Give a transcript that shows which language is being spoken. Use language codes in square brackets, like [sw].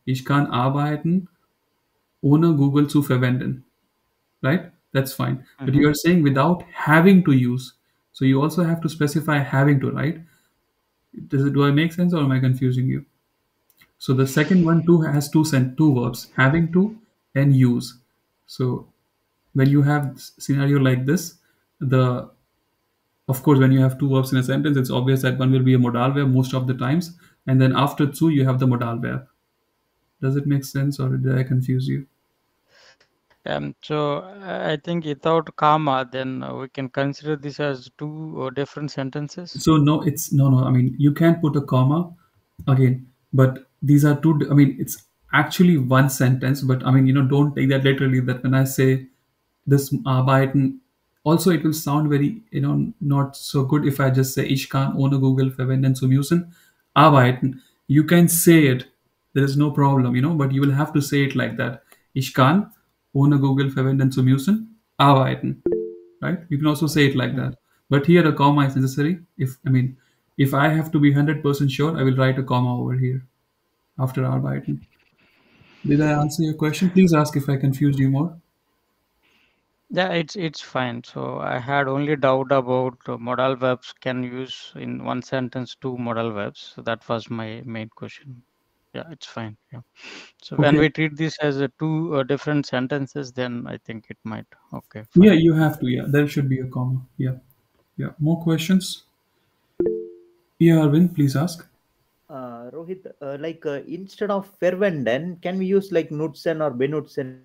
[de] Ich kann arbeiten ohne Google zu verwenden, right? [en] That's fine. Mm-hmm. But you are saying without having to use. So you also have to specify having to, right? Do I make sense, or am I confusing you? So the second one too has two verbs, having to and use. So when you have scenario like this, of course, when you have two verbs in a sentence, it's obvious that one will be a modal verb most of the times. And then after zu, you have the modal verb. Does it make sense, or did I confuse you? So I think without comma, then we can consider this as two different sentences. So no, it's no. I mean, you can't put a comma again, but these are two. I mean, it's actually one sentence, but I mean, you know, don't take that literally, that when I say this arbeiten, also, it will sound very, you know, not so good if I just say [de] ich kann ohne Google verwenden zu müssen arbeiten. [en] You can say it. There is no problem, you know, but you will have to say it like that. [de] Ich kann ohne Google verwenden zu müssen arbeiten. [en] Right? You can also say it like that. But here a comma is necessary. If I have to be 100% sure, I will write a comma over here after arbeiten. Did I answer your question? Please ask if I confused you more. Yeah, it's fine. So I had only doubt about modal verbs can use in one sentence two modal verbs. So that was my main question. Yeah, it's fine. Yeah. So okay. When we treat this as two different sentences, then I think it might. Okay. Fine. Yeah, you have to. Yeah, there should be a comma. Yeah. Yeah. More questions? Yeah, Arvind, please ask. Rohit, instead of verwenden, can we use like nutzen or benutzen?